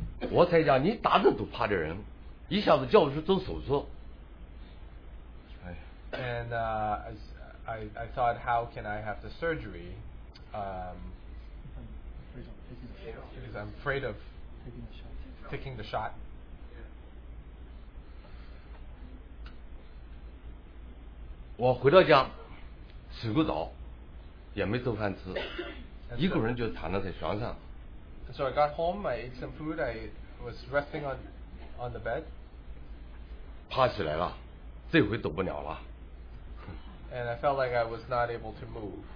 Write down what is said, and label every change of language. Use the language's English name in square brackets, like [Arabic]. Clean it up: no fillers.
[Chinese] 我才讲，你打针都怕的人，一下子叫我去做手术。 [English] And I thought, how can I have the surgery? Because I'm afraid of taking the shot. [Chinese] 我回到家，洗个澡，也没做饭吃，一个人就躺在床上。 [English] So I got home, I ate some food, I was resting on the bed. [Chinese] 爬起来了，这回躲不了了。 [English] And I felt like I was not able to move.